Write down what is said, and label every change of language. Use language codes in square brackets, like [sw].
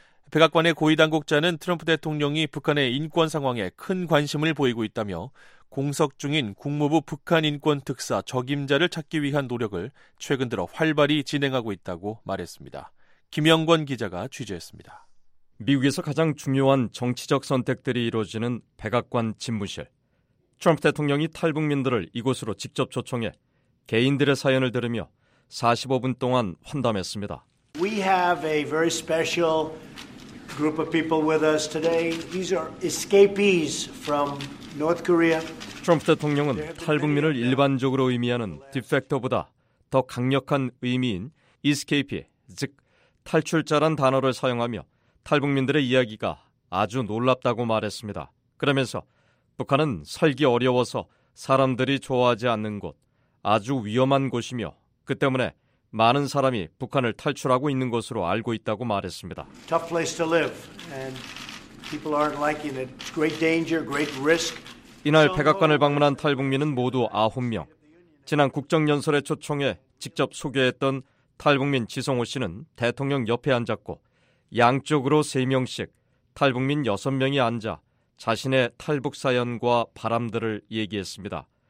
[ko] 백악관의 고위 당국자는 트럼프 대통령이 북한의 인권 상황에 큰 관심을 보이고 있다며 공석 중인 국무부 북한인권특사 적임자를 찾기 위한 노력을 최근 들어 활발히 진행하고 있다고 말했습니다. 김영권 기자가 취재했습니다. 미국에서 가장 중요한 정치적 선택들이 이루어지는 백악관 집무실. 트럼프 대통령이 탈북민들을 이곳으로 직접 초청해 개인들의 사연을 들으며 45분 동안 환담했습니다. [en] We have a very special group of people with us today. These are escapees from North Korea. [ko] 트럼프 대통령은 탈북민을 일반적으로 의미하는 디펙터보다 더 강력한 의미인 escape, 즉 탈출자란 단어를 사용하며 탈북민들의 이야기가 아주 놀랍다고 말했습니다. 그러면서 북한은 살기 어려워서 사람들이 좋아하지 않는 곳, 아주 위험한 곳이며 그 때문에 많은 사람이 북한을 탈출하고 있는 것으로 알고 있다고 말했습니다. [en] Tough place to live and people aren't liking it. Great danger, great risk. [ko] 이날 백악관을 방문한 탈북민은 모두 9명. 지난 국정연설의 초청에 직접 소개했던 탈북민 지성호 씨는 대통령 옆에 앉았고 양쪽으로 3명씩 탈북민 6명이 앉아 자신의 탈북 사연과 바람들을 얘기했습니다.